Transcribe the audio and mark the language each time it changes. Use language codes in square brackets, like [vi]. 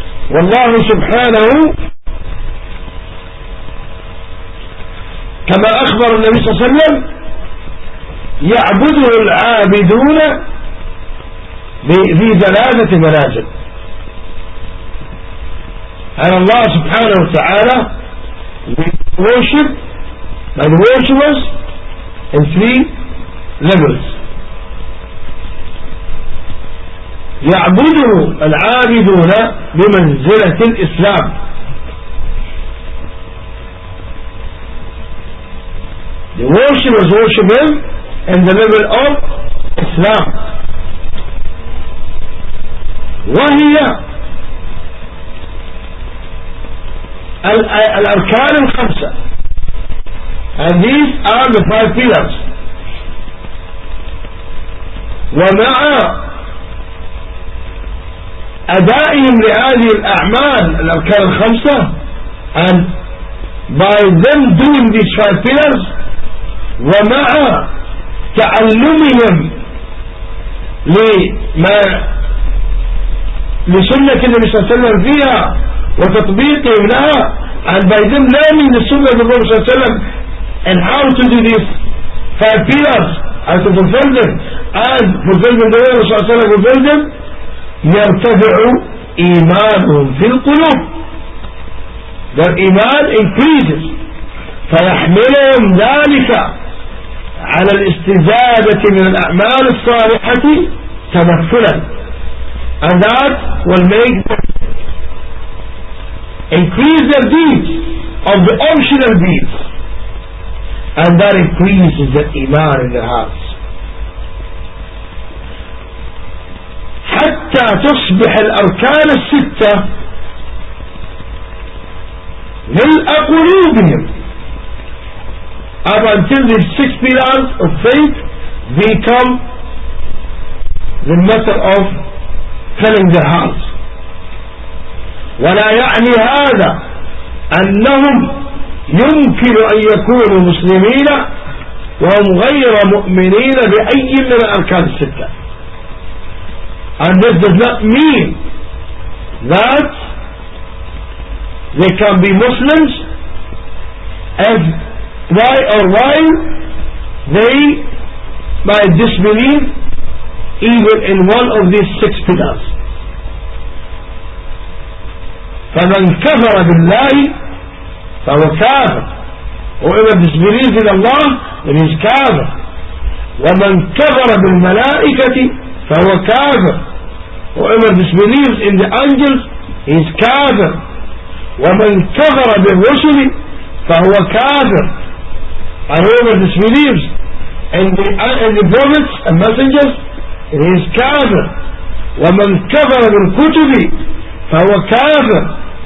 [ar] والله سبحانه كما أخبر النبي صلى الله عليه وسلم يعبده العابدون بذي ثلاثة منازل. [en] And Allah subhanahu wa ta'ala worship by the worshippers in three levels. [ar] يعبده العابدون بمنزلة الإسلام. [en] The worshippers worship him in the level of Islam. [ar] وَهِيَ الْأَرْكَانِ الْخَمْسَ. [en] And these are the five pillars. [ar] وَمَعَ أَدَائِهِمْ لِهَذِهِ الْأَعْمَالِ الْأَرْكَانِ الْخَمْسَ. [en] And by them doing these five pillars, [ar] وَمَعَ تَعَلُّمِهِمْ لِمَا لسنة النبي صلى الله عليه وسلم فيها وتطبيقهم لها. [en] And by them learning the sunnah of the Prophet صلى الله عليه وسلم and how to do these five pillars and to fulfill them and fulfill them the way Rasulullah صلى الله عليه وسلم fulfill them, [ar] يرتفع إيمانهم في القلوب. [en] Their iman increases. [ar] فيحملهم ذلك على الاستزادة من الأعمال الصالحة تمثلا. [en] And that will make them increase their deeds of the optional deeds, and that increases the iman in their hearts. [ar] حتى تصبح الأركان الستة من أقلوبهم. [en] Up until these six pillars of faith become the matter of filling their hearts. [ar] ولا يعني هذا أنهم يمكن أن يكونوا مسلمين وهم غير مؤمنين بأي من الأركان الستة. [en] And this does not mean that they can be Muslims and why or why they might disbelieve even in one of these six pillars. [ar] فمن كفر بالله فهو كافر. [en] Whoever disbelieves in Allah, then he is كافر. [ar] ومن كفر بالملائكة فهو كافر. [en] Whoever disbelieves in the angels, he is كافر. [ar] ومن كفر بالرسل فهو كافر. [en] And whoever disbelieves in the prophets and messengers, he is كافر. [ar] ومن كفر بالكتب فهو كافر.